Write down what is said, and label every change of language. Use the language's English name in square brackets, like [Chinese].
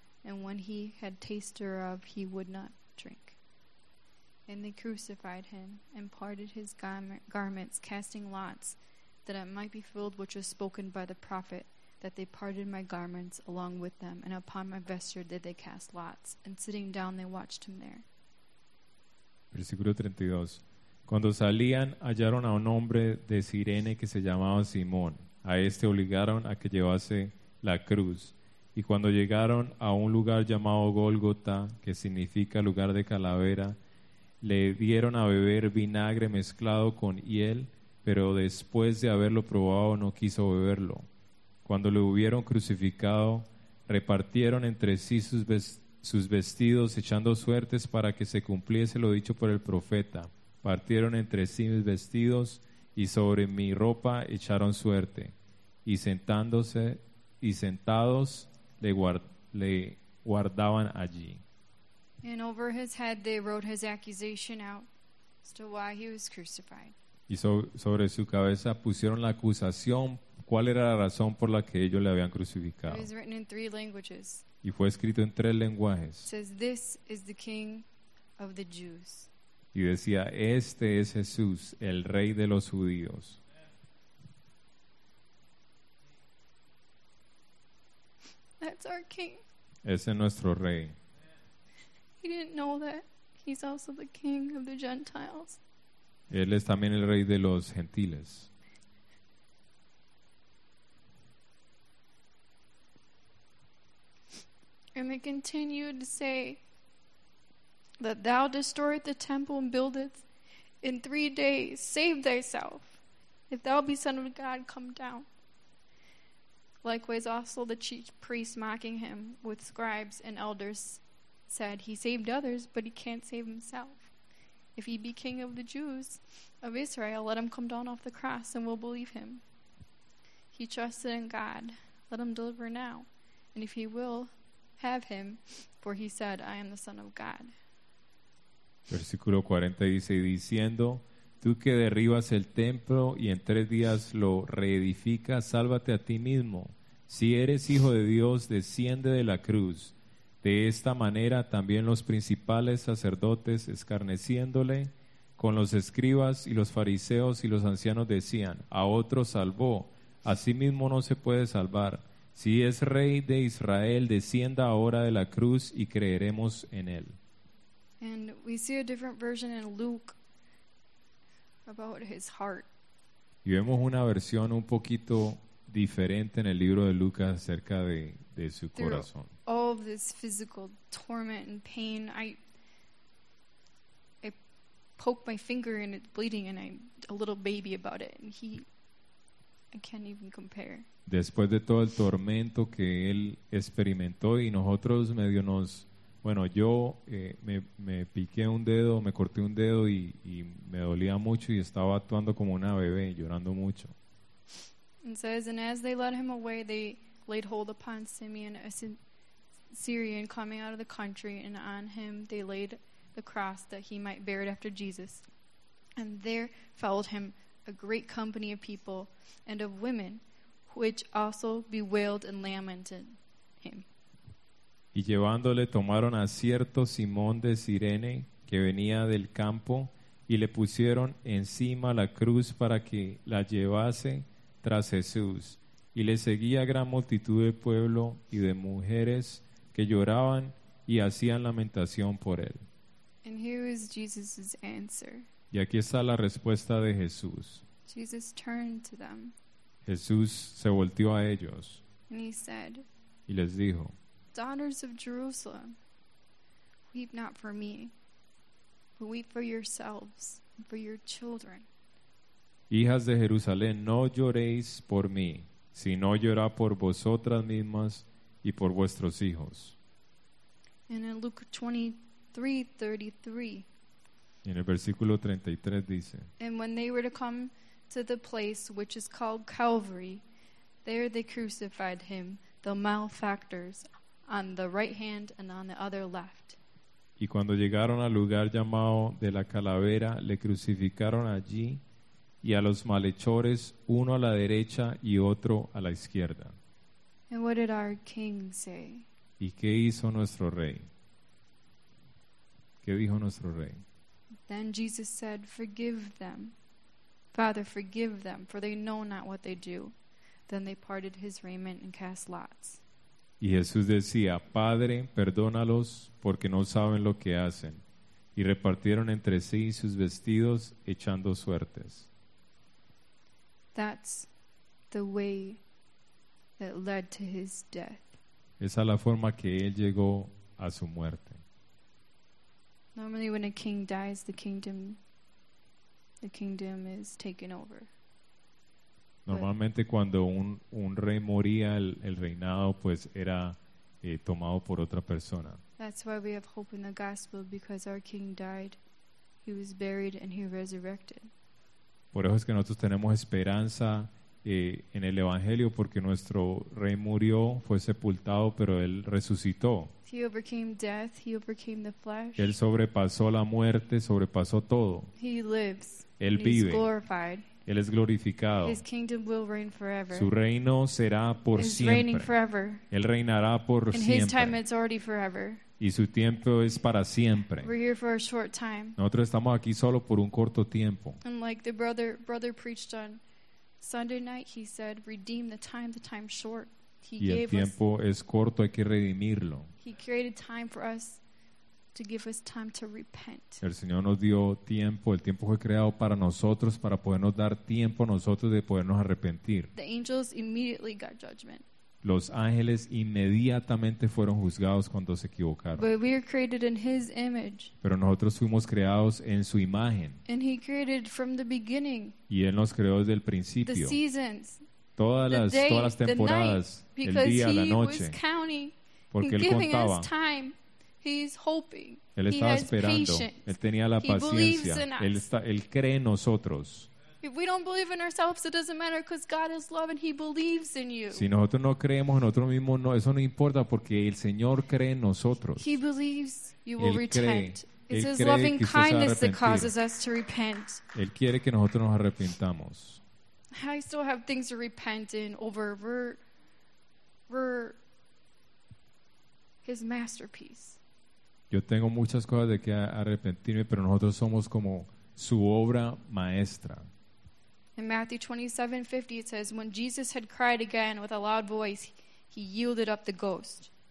[English] And when he had tasted thereof, he would not drink. And they crucified him, and parted his garments, casting lots, that it might be fulfilled which was spoken by the prophet, that they parted my garments along with them, and upon my vesture did they cast lots. And sitting down, they watched him there. [Spanish] Versículo 32. Cuando salían, hallaron a un hombre de Cirene que se llamaba Simón. A este obligaron a que llevase la cruz. Y cuando llegaron a un lugar llamado Gólgota, que significa lugar de calavera, le dieron a beber vinagre mezclado con hiel, pero después de haberlo probado no quiso beberlo. Cuando lo hubieron crucificado, repartieron entre sí sus vestidos, echando suertes para que se cumpliese lo dicho por el profeta. Partieron entre sí mis vestidos, y sobre mi ropa echaron suerte. Y sentados, le guardaban allí. [English] And over his head they wrote his accusation out as to why he was crucified. [Spanish] Y sobre su cabeza pusieron la acusación, cuál era la razón por la que ellos le habían crucificado. [English] It was written in three languages. [Spanish] Y fue escrito en tres lenguajes. [English] It says, This is the King of the Jews. [Spanish] Y decía, este es Jesús, el Rey de los Judíos. [English] That's our king. [Spanish] Ese es nuestro rey. [English] He didn't know that he's also the king of the Gentiles. [Spanish] Él es también el rey de los gentiles. [English] And they continued to say that thou destroy the temple and build it in 3 days. Save thyself. If thou be son of God, come down. Likewise also the chief priests mocking him with scribes and elders said, He saved others, but he can't save himself. If he be king of the Jews of Israel, let him come down off the cross and we'll believe him. He trusted in God. let him deliver now. And if he will, have him, for he said, I am the Son of God. [Spanish] Versículo 40 dice, diciendo, tú que derribas el templo y en tres días lo reedificas, sálvate a ti mismo. Si eres hijo de Dios, desciende de la cruz. De esta manera también los principales sacerdotes, escarneciéndole con los escribas y los fariseos y los ancianos, decían, a otro salvó, a sí mismo no se puede salvar. Si es rey de Israel, descienda ahora de la cruz y creeremos en él. [English] And we see a different version in Luke about his heart. [Spanish] Y vemos una versión un poquito diferente en el libro de Lucas acerca de su corazón. [English] Through all of this physical torment and pain, I poke my finger and it's bleeding and I'm a little baby about it. And I can't even compare. [Spanish] Después de todo el tormento que él experimentó y nosotros medio nos... Bueno, yo me piqué un dedo, me corté un dedo y me dolía mucho y estaba actuando como una bebé, llorando mucho. [English] It says, and as they led him away, they laid hold upon Simeon, a Syrian coming out of the country, and on him they laid the cross that he might bear it after Jesus. And there followed him a great company of people and of women, which also bewailed and lamented him. [Spanish] Y llevándole tomaron a cierto Simón de Cirene, que venía del campo, y le pusieron encima la cruz para que la llevase tras Jesús. Y le seguía gran multitud de pueblo y de mujeres que lloraban y hacían lamentación por él. [English] And here is Jesus's answer. [Spanish] Y aquí está la respuesta de Jesús. [English] Jesus turned to them. [Spanish] Jesús se volteó a ellos. [English] And he said, [Spanish] y les dijo, [English] daughters of Jerusalem, weep not for me, but weep for yourselves and for your children. [Spanish] Hijas de Jerusalén, no lloréis por mí, sino llorad por vosotras mismas y por vuestros hijos. [English] And in Luke 23:33, [Spanish] en el versículo 33 dice, [English] and when they were to come to the place which is called Calvary, there they crucified him, the malefactors, on the right hand and on the other left. [Spanish] Y cuando llegaron al lugar llamado de la calavera, le crucificaron allí y a los malhechores, uno a la derecha y otro a la izquierda. [English] And what did our king say? [Spanish] ¿Y qué hizo nuestro rey? ¿Qué dijo nuestro rey? [English] Then Jesus said, forgive them. Father, forgive them, for they know not what they do. Then they parted his raiment and cast lots. [Spanish] Y Jesús decía, Padre, perdónalos, porque no saben lo que hacen. Y repartieron entre sí sus vestidos, echando suertes. [English] That's the way that led to his death. [Spanish] Esa es la forma que él llegó a su muerte. [English] Normally when a king dies, the kingdom is taken over. [Spanish] Normalmente cuando un rey moría, el reinado pues era tomado por otra persona. [English] That's why we have hope in the gospel, because our king died, he was buried, and he resurrected. [Spanish] Por eso es que nosotros tenemos esperanza en el evangelio, porque nuestro rey murió, fue sepultado, pero él resucitó. [English] He overcame death, he overcame the flesh. [Spanish] Él sobrepasó la muerte, sobrepasó todo. [English] He lives. [Spanish] Él vive. [English] He's glorified. [Spanish] Él es glorificado. [English] His kingdom will reign forever. [Spanish] Su reino será por it's siempre. [English] Reigning forever. [Spanish] Él reinará por in siempre. [English] His time it's already forever. [Spanish] Y su tiempo es para siempre. [English] We're here for a short time. [Spanish] Nosotros estamos aquí solo por un corto tiempo. [English] And like the brother preached on Sunday night, he said, redeem the time's short. [Spanish] Y el tiempo es corto, hay que redimirlo. [English] He created time for us to give us time to repent. [Spanish] El Señor nos dio tiempo, el tiempo fue creado para nosotros, para podernos dar tiempo a nosotros de podernos arrepentir. [English] The angels immediately got judgment. [Spanish] Los ángeles inmediatamente fueron juzgados cuando se equivocaron. [English] But we are created in his image. [Spanish] Pero nosotros fuimos creados en su imagen. [English] And he created from the beginning. [Spanish] Y él nos creó desde el principio. [English] The seasons. [Spanish] Todas las temporadas, [English] the night, [Spanish] el día, la noche. [English] Because he was counting, [Spanish] porque él contaba. [English] He's hoping. [Spanish] Él estaba esperando. Él tenía la paciencia. Él cree en nosotros. [English] If we don't believe in ourselves, it doesn't matter because God is love and He believes in you. [Spanish] Si nosotros no creemos en nosotros mismos, no, eso no importa porque el Señor cree en nosotros. [English] He believes you will repent. [Spanish] Cree. [English] It's His loving kindness that causes us to repent. [Spanish] Él quiere que nosotros nos arrepintamos. [English] I still have things to repent in over. We're His masterpiece. [Spanish] Yo tengo muchas cosas de que arrepentirme, pero nosotros somos como su obra maestra. [English] In Matthew 27:50, it says, "When Jesus had cried again with a loud voice, He yielded up the ghost."